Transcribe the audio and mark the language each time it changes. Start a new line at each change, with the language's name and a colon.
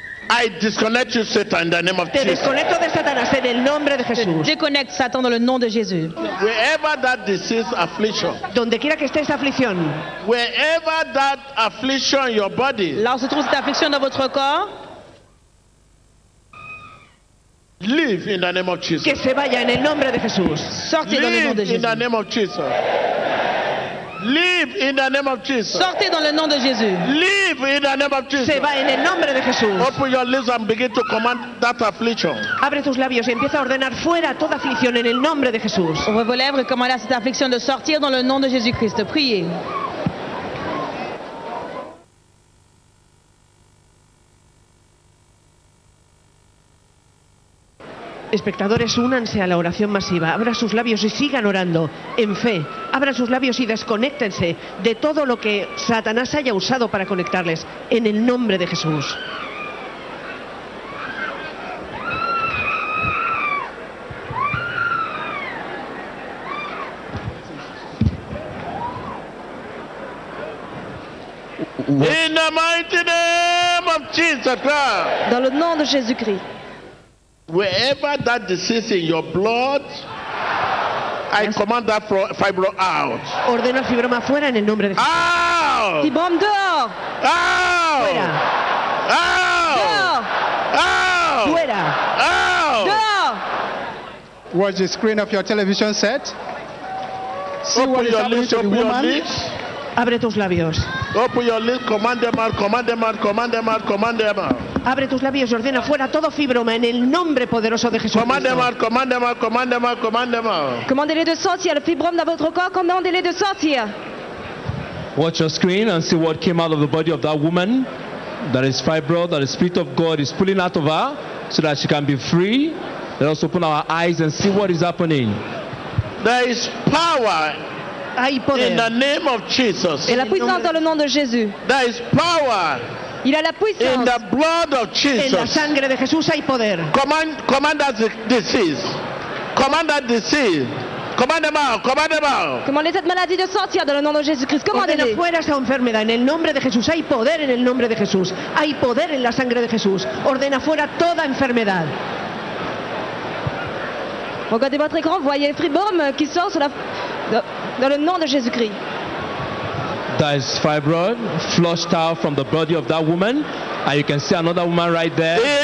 English: I disconnect you, Satan, in the name of Jesus.
Spanish: Te desconecto de Satanás en el nombre de Jesús.
French: Déconecte Satan dans le nom de Jésus.
English: Wherever that disease affliction.
Spanish: Donde quiera que esté esa aflicción.
English: Wherever that affliction in your body.
French: Là où se trouve cette affliction dans votre corps.
English: Leave in the name of Jesus.
Spanish: Que se vaya en el nombre de Jesús.
French: Sortez dans le nom de Jésus.
English: Leave in the name of Jesus. Leave in the name of Jesus.
French: Sortez dans le nom de Jésus.
English: Leave in the name of Jesus.
Spanish: Se va en el nombre de Jesús.
English: Open your lips and begin to command that affliction.
Spanish: Abre tus labios y empieza a ordenar fuera toda aflicción en el nombre de Jesús.
French: Ouvre vos lèvres et commandez cette affliction de sortir dans le nom de Jésus-Christ. Priez.
Spanish: Espectadores, únanse a la oración masiva. Abran sus labios y sigan orando en fe. Abran sus labios y desconéctense de todo lo que Satanás haya usado para conectarles en el nombre de Jesús.
English: In the mighty name of Jesus Christ.
French: Dans le nom de Jésus-Christ.
English: Wherever that disease in your blood, I command that fibro out.
Spanish: Ordeno el fibroma fuera en el nombre de Jesús. Fibroma
French: dehors.
Spanish: Fuera.
French: Dehors.
Spanish: Fuera.
French: Dehors.
English: Watch the screen of your television set. See open your lips, open your lips.
Spanish: Abre tus labios.
English: Open your lips, command them out, command them out, command them out, command them out.
Spanish: Abre tus labios y ordena fuera todo fibroma en el nombre poderoso de Jesús.
French: Commandez-les de sortir, le fibrome dans votre corps, commandez-les de sortir.
English: Watch your screen and see what came out of the body of that woman. That is fibro, that the Spirit of God is pulling out of her so that she can be free. Let us open our eyes and see what is happening. There is power.
Spanish: Hay poder.
English: In the name of Jesus.
French: Et la puissance dans le nom de Jésus.
English: There is power.
French: Il a la puissance.
English: In the blood of Jesus.
Spanish: En la sangre de Jesús hay poder.
English: Command that disease. Command that disease. Command them out. Command them out.
French: Commandez cette maladie de sortir dans le nom de Jésus-Christ. Commandez-la
Spanish: fuera esa enfermedad en el nombre de Jesús. Hay poder en el nombre de Jesús. Hay poder en la sangre de Jesús. Ordena fuera toda enfermedad.
French: Regardez votre écran, vous voyez le fibrom qui sort sur la dans le nom de Jésus-Christ.
English: That is fibrom flushed out from the body of that woman. And you can see another woman right there.